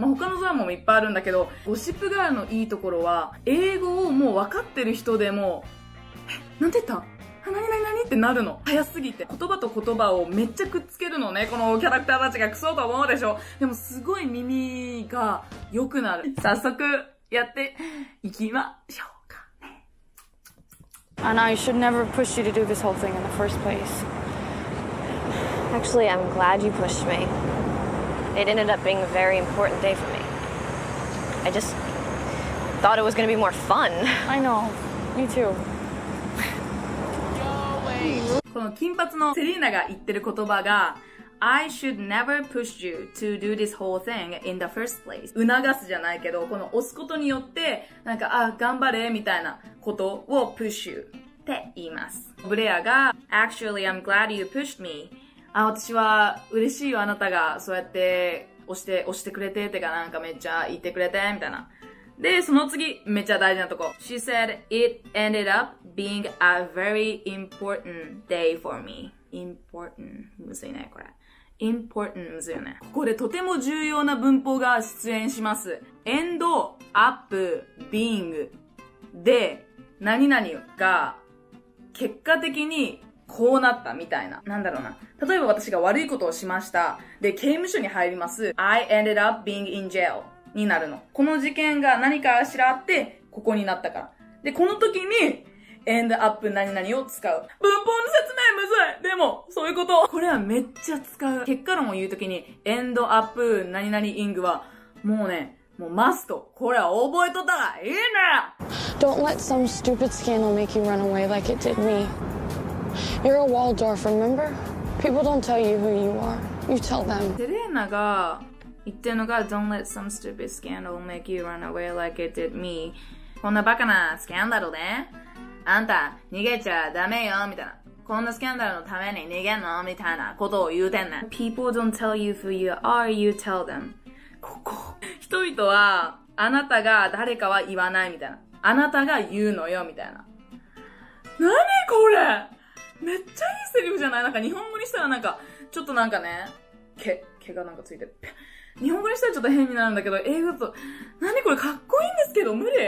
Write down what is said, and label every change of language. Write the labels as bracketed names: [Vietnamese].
[Japanese] まあ、他のドラマもいっぱいあるんだけど、ゴシップガールのいいところは、英語をもう分かってる人でも、なんて言った、何ってなるの。早すぎて言葉と言葉をめっちゃくっつけるのね、このキャラクターたちが。クソと思うでしょ。でもすごい耳が良くなる。早速やっていきましょうかね。 [English] And I should never push you to do this whole thing in the first place. Actually, I'm glad you pushed me. It ended up being a very important day for me. I just thought it was going to be more fun. I know. Me too. Go away. [Japanese] この金髪のセリーナが言ってる言葉が、 [English] I should never push you to do this whole thing in the first place. [Japanese] 促すじゃないけど、この押すことによって、なんか、あ、頑張れ、みたいなことを [English] push you [Japanese] って言います。 [English] ブレアが、Actually, I'm glad you pushed me. [Japanese] あ、私は嬉しいよ、あなたが、そうやって押してくれて、てか、なんかめっちゃ言ってくれて、みたいな。で、その次、めっちゃ大事なとこ。 [English] She said, It ended up being a very important day for me. [Japanese] Important むずいね、これ。Important むずいよね。ここでとても重要な文法が出演します。 [English] End up being [Japanese] で、何々が結果的にこうなったみたいな。なんだろうな。例えば私が悪いことをしました。で、刑務所に入ります。 [English] I ended up being in jail [Japanese] になるの。この事件が何かしらあって、ここになったから。で、この時に、end up 何々を使う。文法の説明むずい。でも、そういうこと。これはめっちゃ使う。結果論を言うときに、end up 何々 ing は、もうね、もうマスト。これは覚えとったらいいね。 [English] Don't let some stupid scandal make you run away like it did me. You're a Waldorf, remember? People don't tell you who you are. You tell them. [Japanese] セレーナが言ってるのが、 [English] Don't let some stupid scandal make you run away like it did me. [Japanese] こんなバカなスキャンダルで、あんた逃げちゃダメよみたいな、こんなスキャンダルのために逃げんのみたいなことを言うてんねん。 [English] People don't tell you who you are, you tell them. [Japanese] ここ人々はあなたが誰かは言わないみたいな、あなたが言うのよみたいな。何これ、めっちゃいいセリフじゃない。なんか日本語にしたらなんかちょっとなんかね、毛がなんかついてる。日本語にしたらちょっと変になるんだけど、英語だと、何これかっこいいんですけど、無理。